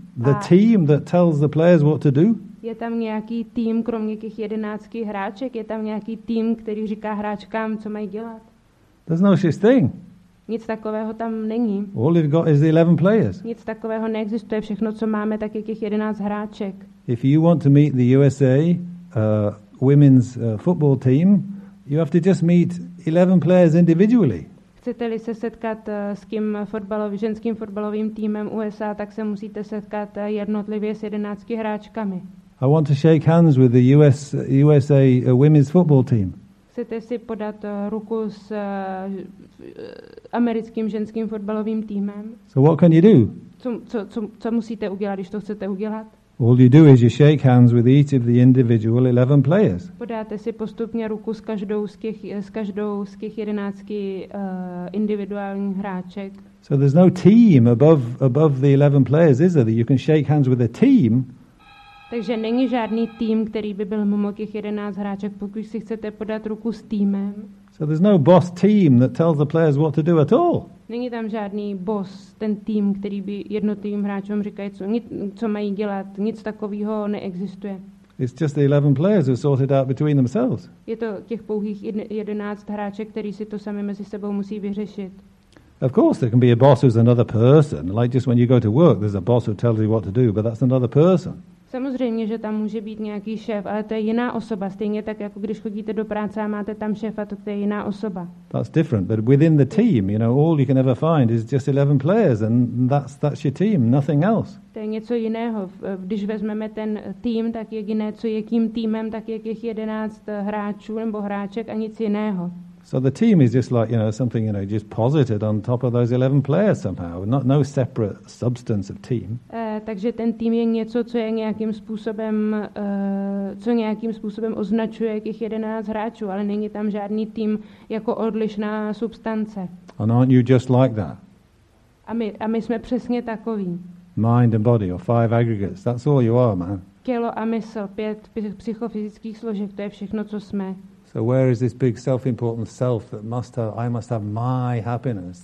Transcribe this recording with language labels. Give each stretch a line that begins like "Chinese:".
English: The team that tells the players what to do?
Czech: Je tam nějaký tým, kromě těch 11 hráček? Je tam nějaký tým, který říká hráčkám, co mají dělat?
English: There's no such thing.
Czech: Nic takového tam není.
English: All you've got is the 11 players.
Czech: Nic takového neexistuje. Všechno, co máme, tak je těch 11 hráček.
English: If you want to meet the USA women's football team, you have to just meet 11 players individually.
Czech: Chcete-li se setkat s tím ženským fotbalovým týmem USA, tak se musíte setkat jednotlivě s 11 hráčkami.
English: I want to shake hands with the USA women's football team.
Czech: Chcete si podat ruku s americkým ženským fotbalovým týmem?
English: So what can you do?
Czech: Co musíte udělat, když to chcete udělat?
English: All you do is you shake hands with each of the individual 11 players.
Czech: Podáte si postupně ruku s každou z těch 11 individuálních hráček.
English: So there's no team above the 11 players, is there? That you can shake hands with a team.
Czech: Takže není žádný tým, který by byl mimo těch 11 hráček, pokud si chcete podat ruku s týmem.
English: So there's no boss team that tells the players what to do at all.
Czech: Není tam žádný boss, ten tým, který by jednotlivým hráčům říkají, co mají dělat. Nic takového neexistuje.
English: It's just the 11 players who sort it out between themselves.
Czech: Je to těch pouhých 11 hráček, kteří si to sami mezi sebou musí vyřešit.
English: Of course there can be a boss who's another person. Like just when you go to work, there's a boss who tells you what to do, but that's another person.
Czech: Samozřejmě, že tam může být nějaký šéf, ale to je jiná osoba. Stejně tak, jako když chodíte do práce a máte tam šéfa, to je jiná osoba.
English: That's different, but within the team, you know, all you can ever find is just 11 players and that's your team, nothing else.
Czech: To je něco jiného. Když vezmeme ten tým, tak jediné, co je tím týmem, tak je těch 11 hráčů nebo hráček a nic jiného.
English: So the team is just like, you know, something, you know, just posited on top of those 11 players somehow. No separate substance of team.
Czech: Takže ten tým je něco, co je nějakým způsobem, označuje těch 11 hráčů, ale není tam žádný tým jako odlišná substance.
English: And aren't you just like that?
Czech: A my jsme přesně takoví.
English: Mind and body, or five aggregates, that's all you are, man.
Czech: Tělo a mysl, pět psychofyzických složek, to je všechno, co jsme.
English: So where is this big self-important self that must have, I must have my happiness?